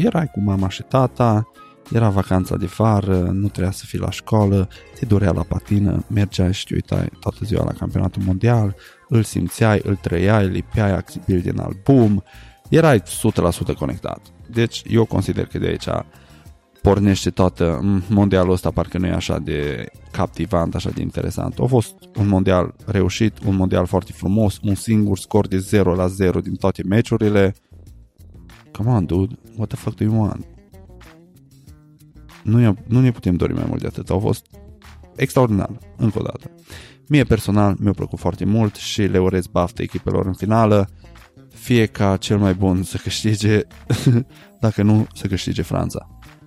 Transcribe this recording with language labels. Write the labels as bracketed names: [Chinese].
[Romanian] erai cu mama și tata, era vacanța de vară, nu trebuia să fii la școală, te durea la patină, mergeai și te uitai toată ziua la campionatul mondial, îl simțeai, îl trăiai, lipeai accesibil din album, erai 100% conectat. Deci eu consider că de aici pornește toată, mondialul ăsta parcă nu e așa de captivant, așa de interesant. A fost un mondial reușit, un mondial foarte frumos, un singur scor de 0-0 din toate meciurile. [English] Come on, dude, what the fuck do you want? [Romanian] Nu ne putem dori mai mult de atât. A fost extraordinar, încă o dată. Mie personal mi-a plăcut foarte mult și le urez baftă echipelor în finală. fie ca cel mai bun să câștige, dacă nu, să câștige Franța.